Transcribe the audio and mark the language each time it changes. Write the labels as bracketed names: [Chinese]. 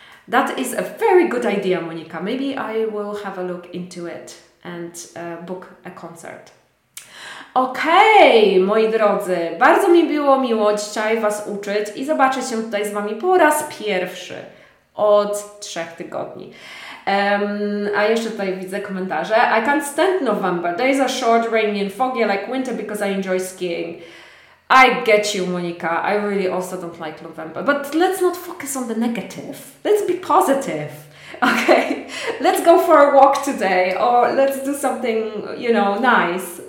[English] That is a very good idea, Monika. Maybe I will have a look into it and book a concert. [Polish] Okej, moi drodzy, bardzo mi było miło dzisiaj Was uczyć i zobaczyć się tutaj z Wami po raz pierwszy od 3 tygodni. A jeszcze tutaj widzę komentarze. [English] I can't stand November. Days are short, rainy and foggy like winter because I enjoy skiing. I get you, Monika. I really also don't like November. But let's not focus on the negative. Let's be positive. Okay? Let's go for a walk today or let's do something, you know, nice.